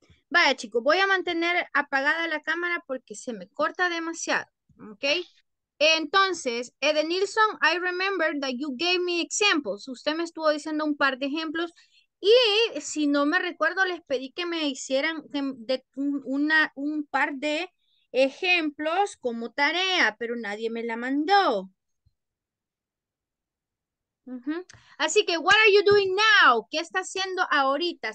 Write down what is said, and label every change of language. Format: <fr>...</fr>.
<es>Vaya, chicos, voy a mantener apagada la cámara porque se me corta demasiado, ¿ok?</es> <en>Entonces, Edenilson, I remember that you gave me examples.</en> <es>Usted me estuvo diciendo un par de ejemplos. Y si no me recuerdo, les pedí que me hicieran un par de ejemplos como tarea, pero nadie me la mandó. Así que,</es> <en>what are you doing now?</en> <es>¿Qué está haciendo ahorita?</es>